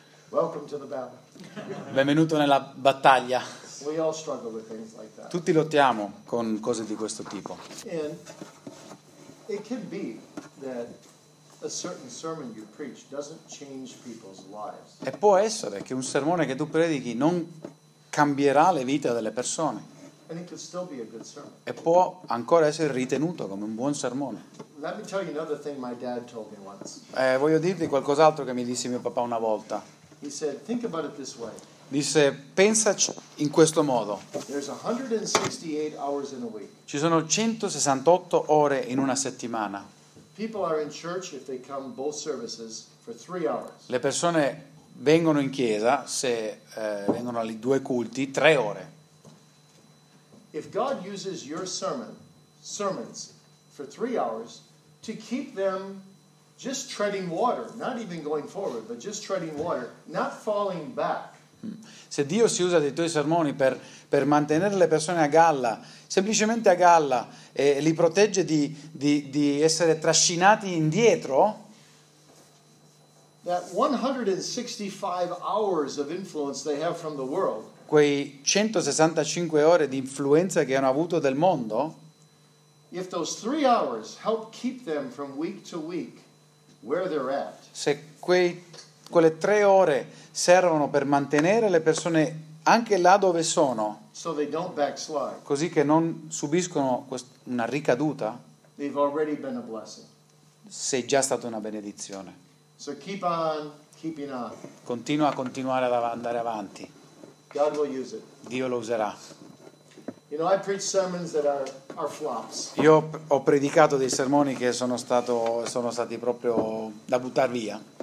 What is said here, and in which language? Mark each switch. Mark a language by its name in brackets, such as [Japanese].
[English] Welcome to the battle. [Italian] Benvenuto nella battaglia. [English] We all struggle with things like that. [Italian] Tutti lottiamo con cose di questo tipo. [English] And it can be that a certain sermon you preach doesn't change people's lives. [Italian] E può essere che un sermone che tu predichi non cambierà le vite delle persone. [English] And it could still be a good sermon. [Italian] E può ancora essere ritenuto come un buon sermone. [English] Let me tell you another thing my dad told me once. [Italian] Voglio dirti qualcos'altro che mi disse mio papà una volta. [English] He said, think about it this way. [Italian] Disse, pensaci in questo modo. [English] There's 168 hours in a week. [Italian] Ci sono 168 ore in una settimana. [English] People are in church if they come both services for 3 hours. [Italian] Le persone vengono in chiesa se vengono ai due culti 3 ore. [English] If God uses your sermons for 3 hours to keep them just treading water, not even going forward, but just treading water, not falling back. [Italian] Se Dio si usa dei tuoi sermoni per mantenere le persone a galla, semplicemente a galla, e li protegge di essere trascinati indietro, [English] that 165 hours of influence they have from the world, [Italian] quei 165 ore di influenza che hanno avuto del mondo, [English] if those 3 hours help keep them from week to week where they're at, [Italian] se quelle 3 ore servono per mantenere le persone anche là dove sono, [English] so they don't backslide, [Italian] così che non subiscono una ricaduta, [English] they've already been a blessing. [Italian] Sei già stata una benedizione. [English] So keep on keeping on. [Italian] Continua a continuare ad andare avanti. [English] God will use it. [Italian] Dio lo userà. [English] You know, I preach sermons that are flops. [Italian] Io ho predicato dei sermoni che sono stati proprio da buttare via.